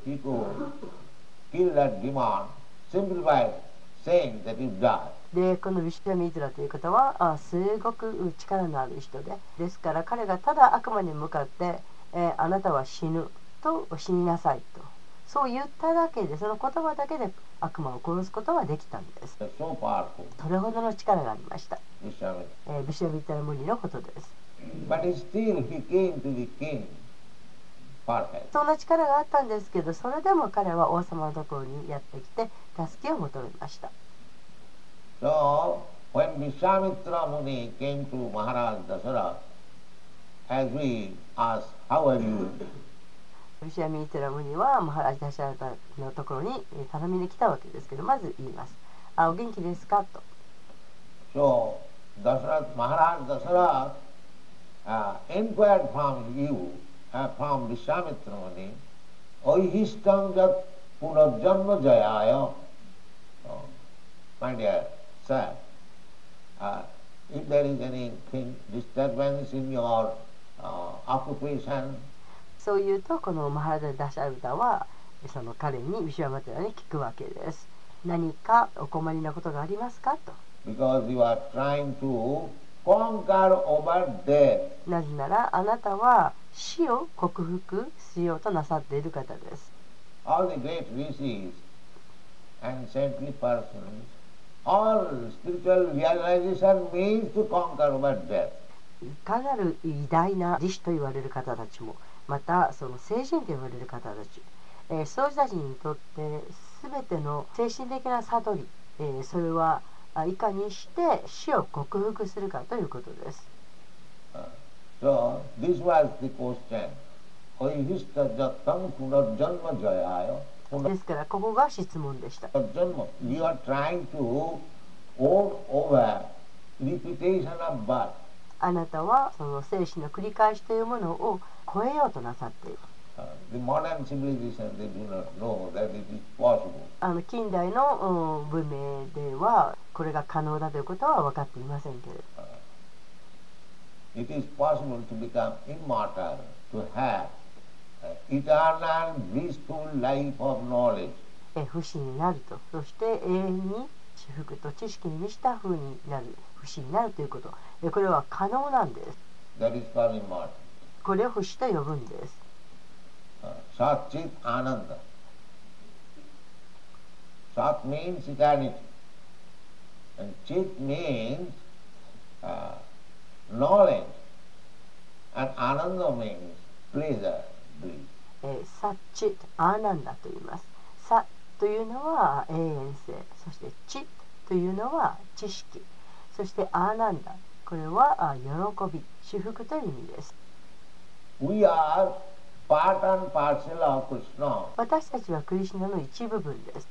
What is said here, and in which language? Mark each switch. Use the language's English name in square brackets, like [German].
[English] He could kill that demon simply by saying that he's God. [Japanese] で、このヴィシュヴァミトラという方はすごく力のある人で、ですから彼がただ悪魔に向かって、あなたは死ぬと、死になさいとそう言っただけで、その言葉だけで悪魔を殺すことはできたんです。 [English] So powerful. [Japanese] どれほどの力がありました、ヴィシュヴァミトラムニのことです。 [English] But still he came to the king. [Japanese] そんな力があったんですけど、それでも彼は王様のところにやってきて助けを求めました。 [English] So when Vishwamitra Muni came to Maharaj Dasarath, as we asked, how are you? [Japanese] ヴィシュヴァミトラムニはマハラジ・ダシャラタのところに頼みに来たわけですけど、まず言います、あ、お元気ですかと。 [English] So マハラジ・ダシャラタ inquired from you, from ヴィシュヴァミトラムニ、おいひしたんじゃぷなじゃんのじゃやよ。 My dear sir, if there is anything disturbance in your occupation, [Japanese] そう言うと、このマハラジャ・ダシャルタはその彼にヴィシュヴァミトラに聞くわけです。何かお困りなことがありますかと。 [English] Because you are trying to conquer over death. [Japanese] なぜならあなたは死を克服しようとなさっている方です。 [English] All the great rishis and saintly persons, all spiritual realization means to conquer but death. [Japanese] いかなる偉大な弟子と言われる方たちも、またその聖人と言われる方たち、そういう人たちにとって全ての精神的な悟り、それはいかにして死を克服するかということです。 [English] So this was the question. [Sanskrit] Oihista jatam punar janma jayayo. [Japanese] ですからここが質問でした。 [English] You are trying to hold over repetition of birth. [Japanese] あなたはその生死の繰り返しというものを超えようとなさっている。 [English] The modern civilization, they do not know that it is possible. [Japanese] あの近代の文明ではこれが可能だということは分かっていませんけれど。 [English] It is possible to become immortal, to have eternal blissful life of knowledge. [Japanese] 不死になると、そして永遠に至福と知識に満ちた風になる。不死になるということ、これは可能なんです。 [English] That is called immortal. [Japanese] これを不死と呼ぶんです。 [English] Satchit Ananda. Sat means eternity and Chit means knowledge and Ananda means pleasure, bliss. [Japanese] Satchit Ananda と言います。 Sat というのは永遠性、そして Chit というのは知識、そしてアーナンダ、これは喜び、至福という意味です。 [English] We are part and parcel of Krishna. [Japanese] 私たちはクリシナの一部分です。